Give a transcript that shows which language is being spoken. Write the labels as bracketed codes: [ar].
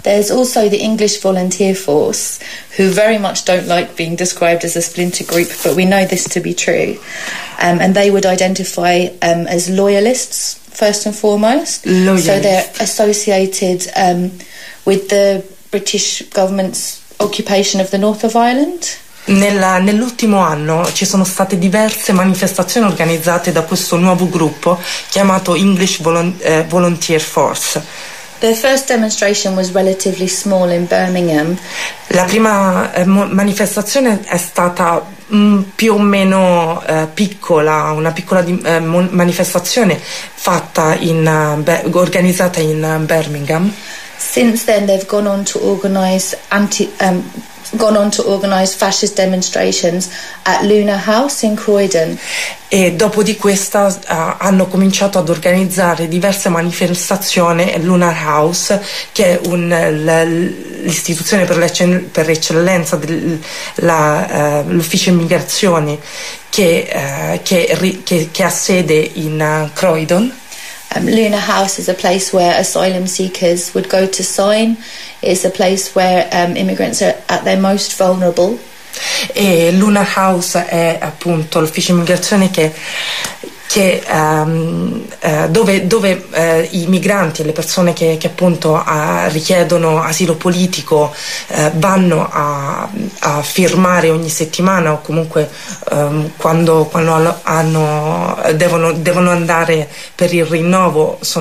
[en] There's also the English Volunteer Force, who very much don't like being described as a splinter group, but we know this to be true. And they would identify as loyalists first and foremost. Loyalist. So they're associated with the British government's occupation of the north of Ireland. [it] Nell'ultimo anno ci sono state diverse manifestazioni organizzate da questo nuovo gruppo chiamato English Volunteer Force. [en] The first demonstration was relatively small in Birmingham. [it] La prima manifestazione è stata più o meno piccola, una piccola manifestazione fatta in organizzata in Birmingham. [en] Since then they've gone on to organize fascist demonstrations at Luna House in Croydon. [it] E dopo di questa hanno cominciato ad organizzare diverse manifestazioni a Lunar House, che è l'istituzione per eccellenza dell'ufficio immigrazione che ha sede in Croydon. [en] Luna House is a place where asylum seekers would go to sign. It's a place where immigrants are at their most vulnerable. [it] E Luna House è appunto l'ufficio immigrazione dove i migranti e le persone che appunto richiedono asilo politico vanno a firmare ogni settimana o comunque quando devono andare per il rinnovo